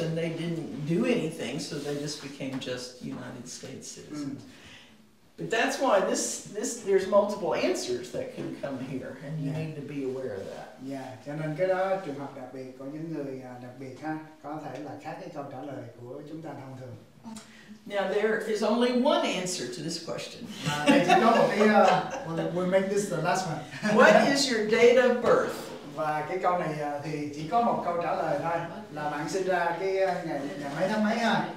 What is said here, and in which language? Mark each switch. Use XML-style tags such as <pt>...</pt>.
<en>And they didn't do anything, so they just became just United States citizens. Mm. But that's why this there's multiple answers that can come here, and you need to be aware of that.</en> <vi>Yeah, cho nên cái đó trường hợp đặc biệt, có những người đặc biệt ha, có thể là khác cái câu trả lời của chúng ta thông thường.</vi> <en>Now there is only one answer to this question. we'll make this the last one. What is your date of birth?</en> <vi>Và cái câu này thì chỉ có một câu trả lời thôi, là bạn sinh ra cái ngày mấy tháng mấy ha.</vi>